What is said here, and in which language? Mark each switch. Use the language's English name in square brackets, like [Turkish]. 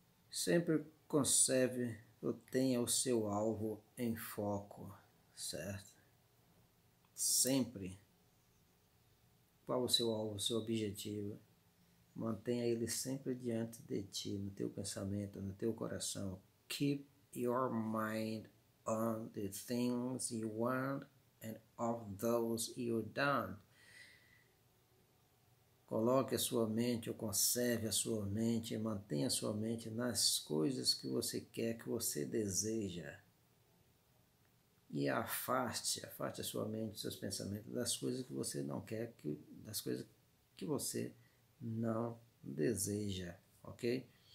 [Portuguese] Sempre conserve ou tenha o seu alvo em foco, certo? Sempre. Qual o seu alvo, o seu objetivo? Mantenha ele sempre diante de ti, no teu pensamento, no teu coração. [English] Keep your mind on the things you want and of those you don't. [Portuguese] Coloque a sua mente, ou conserve a sua mente, mantenha a sua mente nas coisas que você quer, que você deseja. E afaste a sua mente, seus pensamentos das coisas que você não quer, das coisas que você não deseja, ok?